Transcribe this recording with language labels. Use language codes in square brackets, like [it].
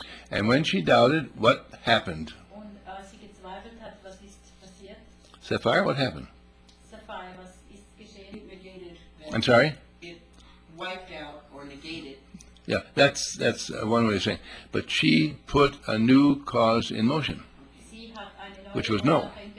[en] And when she doubted, what happened? [de] Und als sie gezweifelt hat, was ist passiert? [en] Sapphire, what happened? [de] Sapphire, was ist geschehen? [en] I'm sorry? It wiped out or negated. Yeah, that's one way of saying it. But she put a new cause in motion, which was no.